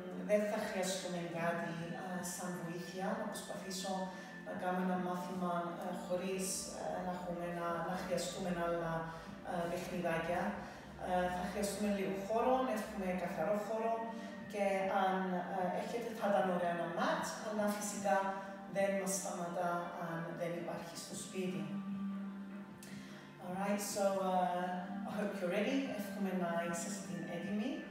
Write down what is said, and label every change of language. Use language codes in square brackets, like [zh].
[el] Δεν θα χρειαστούμε κάτι σαν βοήθεια, να προσπαθήσω να κάνουμε ένα μάθημα χωρίς να χρειαστούμε άλλα παιχνιδάκια. Θα χρειαστούμε λίγο χώρο, έχουμε καθαρό χώρο και αν έχετε θα ήταν ωραία ένα mat, αλλά φυσικά δεν μας σταματά αν δεν υπάρχει στο σπίτι. [en] Alright, so I hope you're ready. [el] Εύχομαι να είσαστε έτοιμοι.